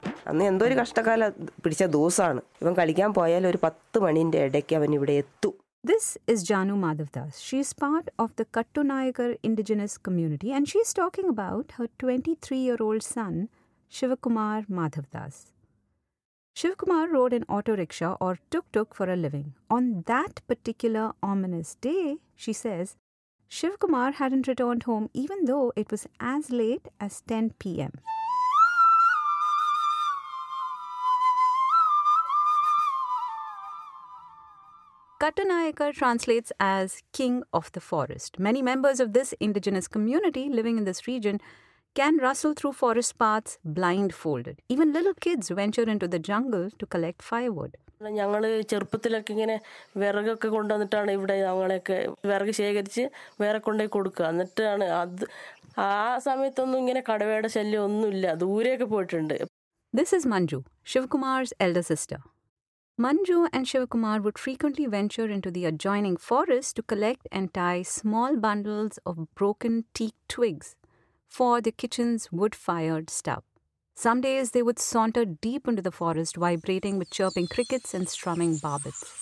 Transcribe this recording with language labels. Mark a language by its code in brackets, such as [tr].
[ml] അന്ന് എന്തോ ഒരു കഷ്ടകാല പിടിച്ച ദിവസമാണ്. ഇവൻ കളിക്കാൻ പോയാൽ ഒരു 10 മണിന്റെ ഇടയ്ക്ക് അവൻ ഇവിടെ എത്തും. [en] This is Janu Madhavdas. She is part of the Kattunayagar indigenous community, and she is talking about her 23-year-old son, Shivakumar Madhavdas. Shivakumar rode an auto rickshaw or tuk-tuk for a living. On that particular ominous day, she says, Shivakumar hadn't returned home even though it was as late as 10 p.m. Kattunayagar translates as king of the forest. Many members of this indigenous community living in this region can rustle through forest paths blindfolded. Even little kids venture into the jungle to collect firewood. [ml] ഞങ്ങള് ചെറുപ്പത്തിലൊക്കെ ഇങ്ങനെ വിറകൊക്കെ കൊണ്ടുവന്നിട്ടാണ് ഇവിടെ ഞങ്ങളെയൊക്കെ വിറക് ശേഖരിച്ച് വേറെ കൊണ്ടേ കൊടുക്കുക. എന്നിട്ടാണ് അത് ആ സമയത്തൊന്നും ഇങ്ങനെ കടവയുടെ ശല്യം ഒന്നുമില്ല, ദൂരെയൊക്കെ പോയിട്ടുണ്ട്. [en] This is Manju, Shivakumar's elder sister. Manju and Shivakumar would frequently venture into the adjoining forest to collect and tie small bundles of broken teak twigs for the kitchen's wood-fired stub. Some days they would saunter deep into the forest, vibrating with chirping crickets and strumming barbets.